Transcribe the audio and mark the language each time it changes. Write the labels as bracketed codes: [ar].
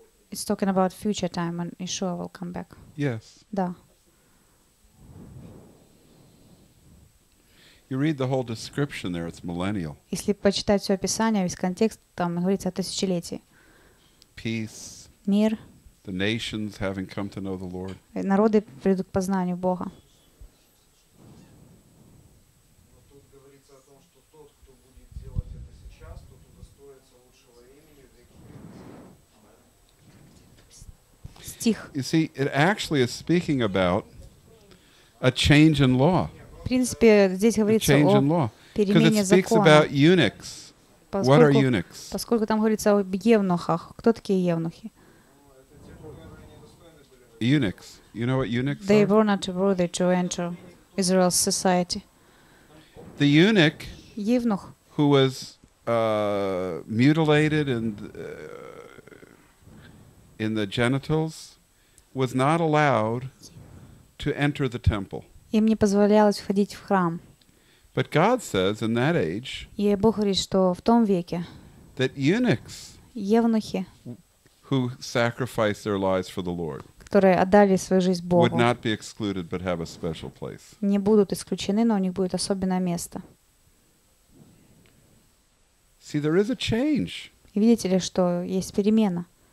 [en] it's talking about future time when Yeshua will come back. Yes. [ru] Да. [en] You read the whole description there, it's millennial. [ru] Если почитать все описание, весь контекст, там говорится о тысячелетии. [en] Peace. [ru] Мир. [en] The nations having come to know the Lord. [ru] Народы придут к познанию Бога. [en] You see, it actually is speaking about a change in law. [ru] В принципе, здесь говорится о перемене закона. [en] Because it speaks about eunuchs. What are eunuchs? [ru] Поскольку там говорится об евнухах. Кто такие евнухи? [en] Eunuchs. You know what eunuchs are? They were not worthy to enter Israel's society. The eunuch. [ru] Евнух. [en] Who was mutilated and in the genitals was not allowed to enter the temple. [ru] Им не позволялось входить в храм. [en] But God says in that age. [ru] И Бог говорит, что в том веке. [en] That eunuchs. [ru] Евнухи. [en] Who sacrificed their lives for the Lord. [ru] Которые отдали свою жизнь Богу. [en] Would not be excluded, but have a special place. [ru] Не будут исключены, но у них будет особенное место. [en] See, there is a change. [ru] И видите ли, что есть перемена.